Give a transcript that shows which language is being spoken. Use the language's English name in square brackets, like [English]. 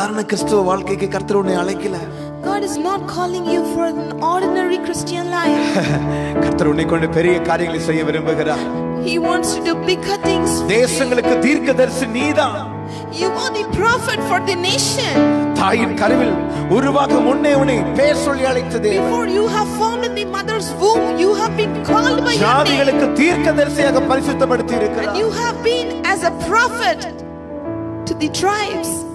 [Tamil] கிறிஸ்துவ வாழ்க்கைக்கு கர்த்தர் உன்னை அழைக்கல [English] God is not calling you for an ordinary Christian life [Tamil] கர்த்தர் உன்னை கொண்டு பெரிய காரியங்களை செய்ய விரும்புகிறார் [English] He wants to do bigger things [Tamil] தேசங்களுக்கு தீர்க்கதரிசி நீதான் [English] You are the prophet for the nation [Tamil] தாயின் கருவில் உருவாக முன்னே உன்னை பேசொளி அழைத்த தேவன் [English] Before you have formed in the mother's womb you have been called by [Tamil] him ஜாதிகளுக்கு தீர்க்கதரிசியாக பரிசுத்தப்படுத்தி இருக்கிறார் [English] And you have been as a prophet to the tribes